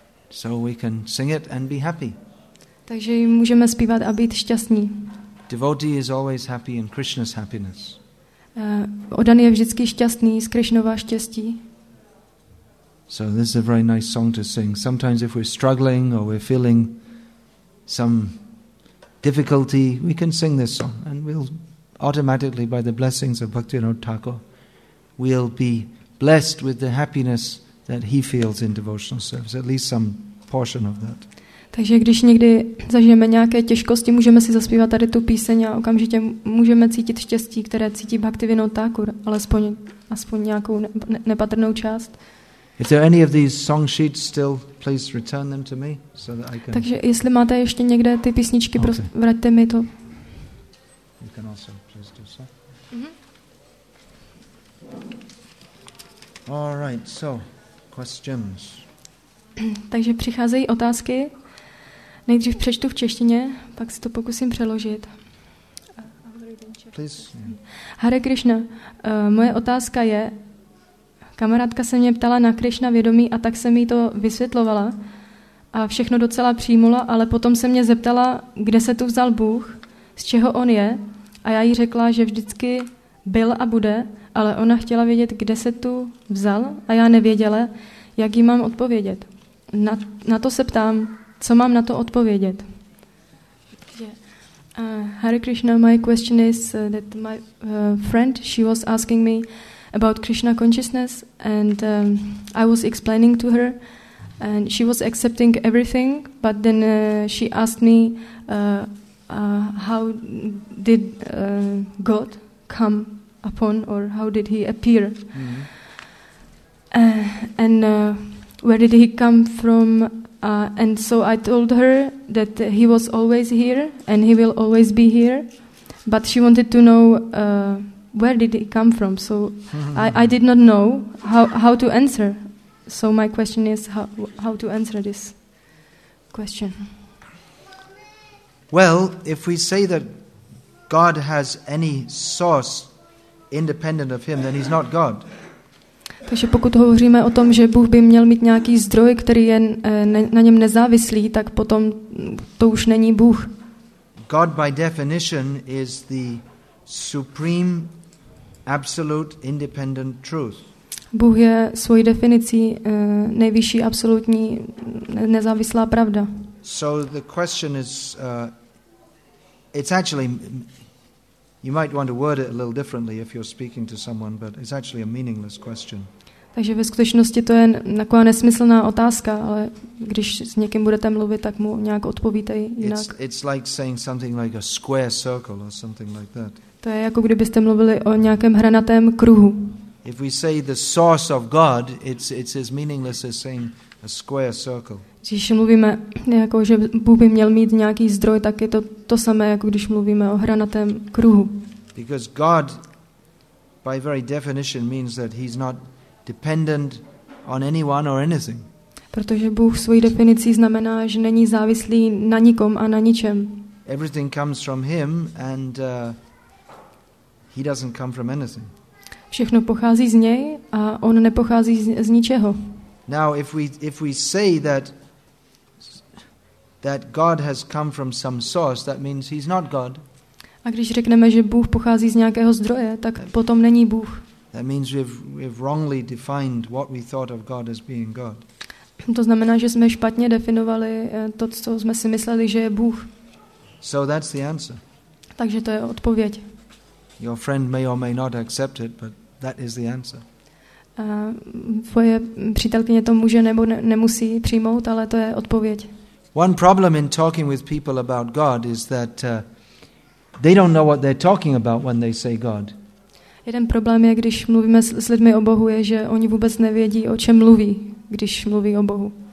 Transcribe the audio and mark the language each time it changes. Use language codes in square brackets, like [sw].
[en] So we can sing it and be happy. [cs] Takže ji můžeme zpívat a být šťastní. [en] Devotee is always happy in Krishna's happiness. [cs] Oddaný je vždycky šťastný z Krishnova štěstí. [en] So this is a very nice song to sing. Sometimes if we're struggling or we're feeling some difficulty, we can sing this song and we'll automatically, by the blessings of Bhaktivinoda Thakur, we'll be blessed with the happiness that he feels in devotional service, at least some portion of that. [cs] Takže když někdy zažijeme nějaké těžkosti, můžeme si zaspívat tady tu píseň a okamžitě můžeme cítit štěstí, které cítí Bhaktivinoda Thakur, alespoň nějakou nepatrnou část. [en] If there are any of these song sheets still, please return them to me so that I can. [cs] Takže jestli máte ještě někde ty písničky, okay. Prosím, vraťte mi to. [en] You can also please do so. All right, so questions. [cs] Takže přicházejí otázky. Nejdřív přečtu v češtině, pak si to pokusím přeložit. [en] Please. [cs] Hare Krishna, moje otázka je, kamarádka se mě ptala na Krishna vědomí a tak jsem jí to vysvětlovala a všechno docela přijmula, ale potom se mě zeptala, kde se tu vzal Bůh, z čeho on je a já jí řekla, že vždycky byl a bude, ale ona chtěla vědět, kde se tu vzal a já nevěděla, jak jí mám odpovědět. Na to se ptám, co mám na to odpovědět? [en] Hare Krishna, my question is that my friend, she was asking me about Krishna consciousness, and I was explaining to her, and she was accepting everything, but then she asked me, how did God come upon, or how did he appear? Mm-hmm. Where did he come from? And so I told her that he was always here and he will always be here. But she wanted to know where did he come from. So I did not know how to answer. So my question is how to answer this question. Well, if we say that God has any source independent of him, then he's not God. [cs] Takže pokud hovoříme o tom, že Bůh by měl mít nějaký zdroj, který je na něm nezávislý, tak potom to už není Bůh. [en] God by definition is the supreme, absolute, independent truth. [cs] Bůh je svojí definicí nejvyšší, absolutní, nezávislá pravda. [en] So the question is, it's actually, you might want to word it a little differently if you're speaking to someone, but it's actually a meaningless question. [cs] Takže ve skutečnosti to je taková nesmyslná otázka, ale když s někým budete mluvit, tak mu nějak odpovíte jinak. [en] It's like saying something like a square circle or something like that. [cs] To je jako kdybyste mluvili o nějakém hranatém kruhu. [en] If we say the source of God, it's as meaningless as saying a square circle. [cs] Když mluvíme jako že Bůh by měl mít nějaký zdroj, tak je to samé jako když mluvíme o hranatém kruhu. [en] Because God by very definition means that he's not dependent on anyone or anything. [cs] Protože Bůh svojí definicí znamená, že není závislý na nikom a na ničem. [en] Everything comes from him and he doesn't come from anything. [cs] Všechno pochází z něj a on nepochází z ničeho. [en] Now if we say that God has come from some source, that means he's not God. [cs] A když řekneme, že Bůh pochází z nějakého zdroje, tak potom není Bůh. [en] That means we've wrongly defined what we thought of God as being God. [cs] To znamená, že jsme špatně definovali to, co jsme si mysleli, že je Bůh. [en] So that's the answer. [cs] Takže to je odpověď. [en] Your friend may or may not accept it, but that is the answer. [cs] tvoje přítelkyně to může nebo nemusí přijmout, ale to je odpověď. [en] One problem in talking with people about God is that they don't know what they're talking about when they say God. [cs] Jeden problém je, když mluvíme s lidmi o Bohu, je, že oni vůbec nevědí, o čem mluví, když mluví o Bohu.